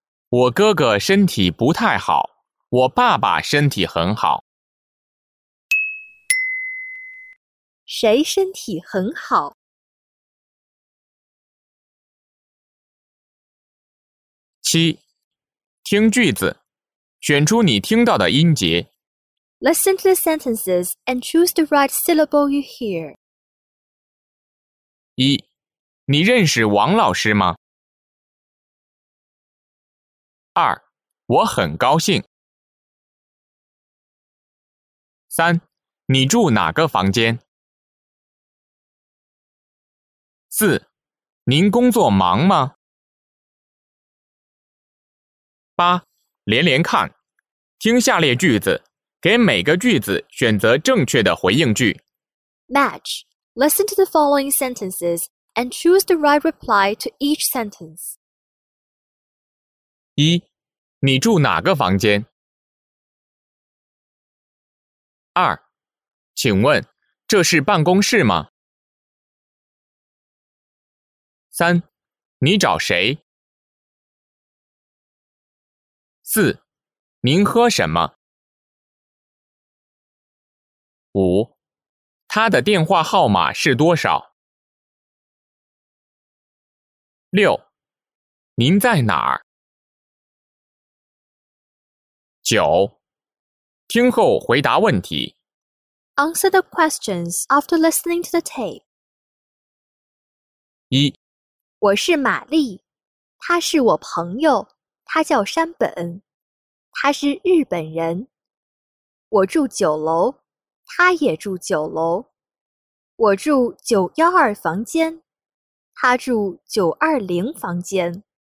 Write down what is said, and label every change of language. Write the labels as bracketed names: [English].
[Chinese] 我哥哥身体不太好，我爸爸身体很好。谁身体很好？七，听句子，选出你听到的音节。 [English] Listen to the sentences and choose the right syllable you hear. [Chinese] 一，你认识王老师吗？二，我很高兴。三，你住哪个房间？四，您工作忙吗？八，连连看，听下列句子，给每个句子选择正确的回应句。 [English] Match. Listen to the following sentences and choose the right reply to each sentence. [Chinese] 一，你住哪个房间？二，请问，这是办公室吗？三，你找谁？四，您喝什么？五，他的电话号码是多少？六，您在哪儿？九，听后回答问题。 [English] Answer the questions after listening to the tape. [Chinese] 一，我是玛丽，他是我朋友，他叫山本。他是日本人，我住九楼，他也住九楼，我住912房间，他住920房间。